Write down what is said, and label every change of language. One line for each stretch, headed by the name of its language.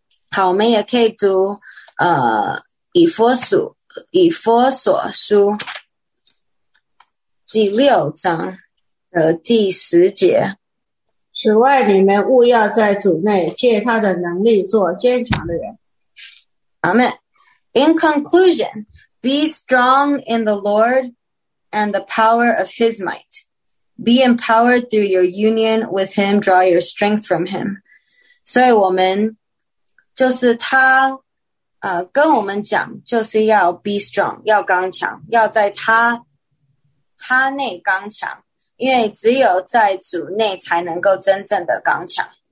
Chinese: 好，我们也可以读以弗所书第六章的第十节。此外你们务要在主内借他的能力做坚强的人。
English: Amen. In conclusion, be strong in the Lord and the power of his might. Be empowered through your union with him, draw your strength from him.
Chinese: 所以我们就是他跟我们讲，就是要
English: be strong,
Chinese: 要刚强，要在他内刚强，因为只有在主内才能够真正的刚强。